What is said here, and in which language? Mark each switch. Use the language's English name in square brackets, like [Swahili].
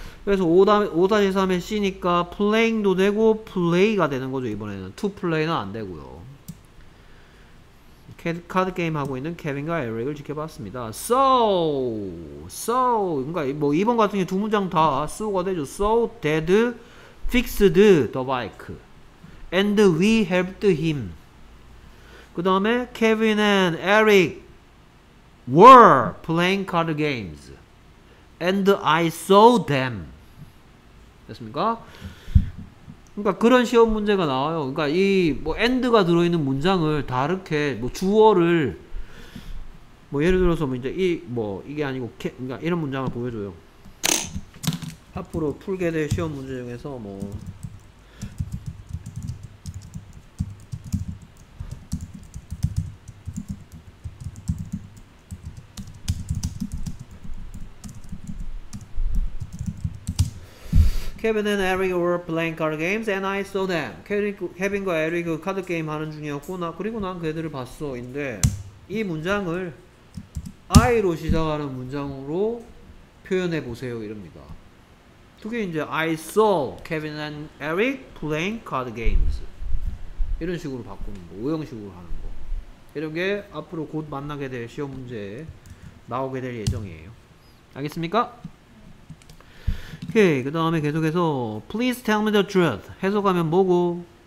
[Korean] 그래서 5-3의 C니까 플레잉도 되고 플레이가 되는 거죠. 이번에는 투 플레이는 안 되고요. 카드 게임 하고 있는 케빈과 에릭을 지켜봤습니다. So 그러니까 뭐 2번 같은 게 두 문장 다 so가 되죠. [English] So dead fixed the bike and we helped him. [Korean] 그 다음에 [English] Kevin and Eric were playing card games and I saw them. [Korean] 됐습니까? 그러니까 그런 시험 문제가 나와요. 그러니까 이 뭐 end가 들어있는 문장을 다 이렇게 뭐 주어를 뭐 예를 들어서 뭐 이제 이 뭐 이게 아니고 그러니까 이런 문장을 보여줘요. 앞으로 풀게 될 시험 문제 중에서 뭐 [English] Kevin and Eric were playing card games and I saw them. [Korean] Kevin과 Eric 카드 게임 하는 중이었고 나 그리고 난 그 애들을 봤어. 인데 이 문장을 I로 시작하는 문장으로 표현해 보세요. 이릅니다. [English] 그게 이제 I saw Kevin and Eric playing card games. [Korean] 이런 식으로 바꾸는 거. 오형식으로 하는 거. 이런 게 앞으로 곧 만나게 될 시험 문제에 나오게 될 예정이에요. 알겠습니까? 오케이. 그 다음에 계속해서 [English] Please tell me the truth. [Korean] 해석하면 뭐고?